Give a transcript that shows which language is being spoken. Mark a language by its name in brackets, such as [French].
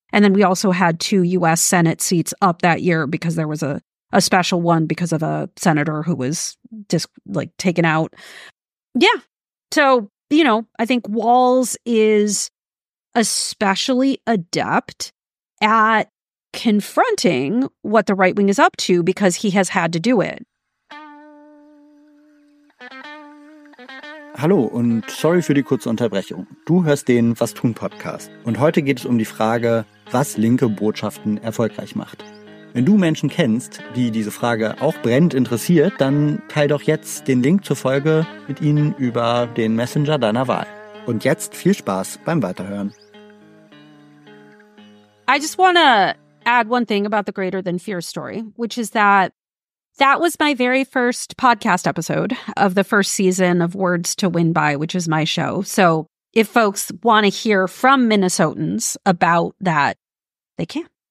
[English] And then we also had two U.S. Senate seats up that year because there was a special one because of a senator who was taken out. Yeah. So, I think Walls is especially adept at confronting what the right wing is up to because he has had to do it. [German] Hallo und sorry für die kurze Unterbrechung. Du hörst den Was tun Podcast und heute geht es um die Frage, was linke Botschaften erfolgreich macht. Wenn du Menschen kennst, die diese Frage auch brennend interessiert, dann teil doch jetzt den Link zur Folge mit ihnen über den Messenger deiner Wahl. Und jetzt viel Spaß beim Weiterhören. [English] I just want to add one thing about the Greater Than Fear story, which is that that was my very first podcast episode of the first season of Words to Win By, which is my show. So if folks want to hear from Minnesotans about that, they can.